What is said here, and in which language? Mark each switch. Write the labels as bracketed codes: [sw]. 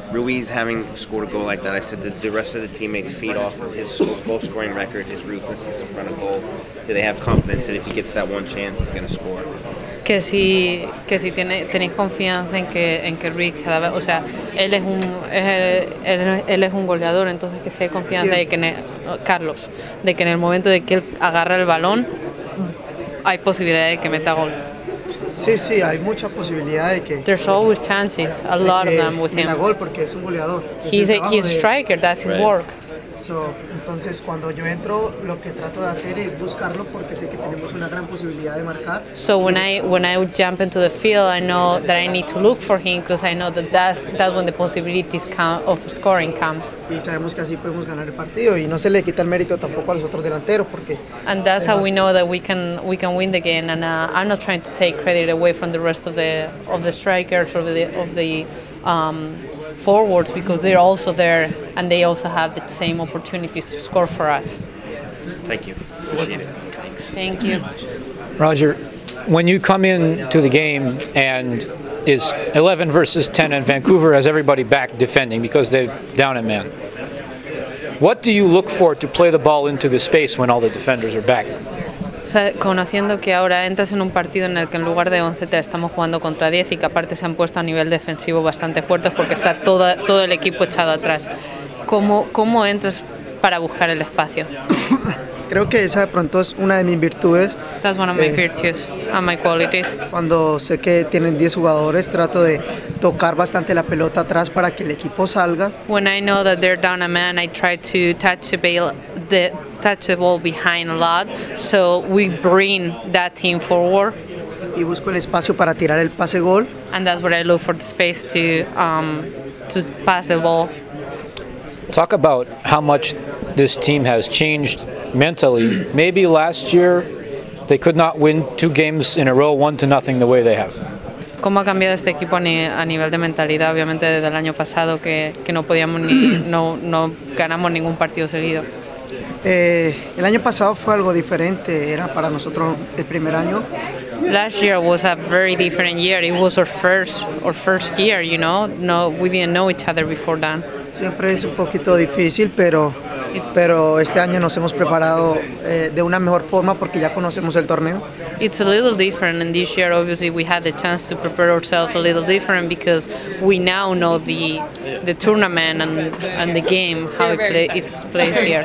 [en] Ruiz having scored a goal like that, I said, did the rest of the teammates feed off of his goal scoring record, his ruthlessness in front of goal? Do they have confidence that if he gets that one chance, he's going to score? [es] Que si tenéis confianza en que Ruiz cada vez, o sea, él es un goleador, entonces que sea confianza de que Carlos, de que en el momento de que él agarra el balón, hay posibilidad de que meta gol. Sí, sí, hay muchas posibilidades de que. [en] There's always chances, a lot of them with him. [es] Meta gol porque es un goleador. [en] He's a striker, that's his work. [es] So, entonces cuando yo entro, lo que trato de hacer es buscarlo porque sé que tenemos una gran posibilidad de marcar. [en] So when I jump into the field, I know that I need to look for him because I know that that's when the possibilities come of scoring come. [es] Y sabemos que así podemos ganar el partido y no se le quita el mérito tampoco a los otros delanteros porque. [en] And that's how we know that we can win the game. And I'm not trying to take credit away from the rest of the strikers or the forwards, because they're also there and they also have the same opportunities to score for us. Thank you. Appreciate it. Thanks. Thank you. Roger, when you come in to the game and is 11 versus 10 and Vancouver has everybody back defending because they're down a man, what do you look for to play the ball into the space when all the defenders are back? [es] Conociendo que ahora entras en un partido en el que en lugar de 11 te estamos jugando contra 10 y que aparte se han puesto a nivel defensivo bastante fuertes porque está todo el equipo echado atrás, ¿cómo entras para buscar el espacio? Creo que esa de pronto es una de mis virtudes. [en] That's one of my virtues and my qualities. [es] Cuando sé que tienen 10 jugadores, trato de tocar bastante la pelota atrás para que el equipo salga. [en] When I know that they're down a man, I try to touch the ball behind a lot, so we bring that team forward. [es] Y busco el espacio para tirar el pase gol. [en] And that's where I look for the space to pass the ball. Talk about how much this team has changed mentally. Maybe last year they could not win two games in a row 1-0 the way they have. [es] ¿Cómo ha cambiado este equipo a nivel de mentalidad? Obviamente desde el año pasado que no podíamos no ganamos ningún partido seguido. El año pasado fue algo diferente, era para nosotros el primer año. [en] Last year was a very different year. It was our first year, you know. No, we didn't know each other before then. [es] Siempre es un poquito difícil, pero este año nos hemos preparado de una mejor forma porque ya conocemos el torneo. [en] It's a little different, and this year obviously we had the chance to prepare ourselves a little different because we now know the tournament and the game, how it plays here.